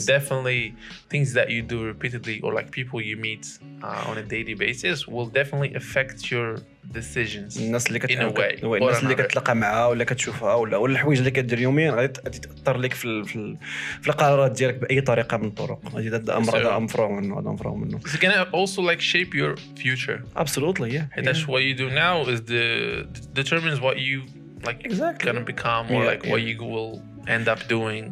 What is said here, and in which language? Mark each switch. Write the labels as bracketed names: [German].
[English] So definitely things that you do repeatedly or like people you meet on a daily basis will definitely affect your decisions in a way. [Arabic] الناس اللي كتلاقى معها ولا كتشوفها ولا الحوايج اللي كدير يوميا غادي تاثر لك في القرارات ديالك باي طريقه من الطرق هذا الامر هذا ام فروم منه [English] it's gonna also like shape your future absolutely yeah and that's what you do now is the determines what you like exactly gonna become or what you will end up doing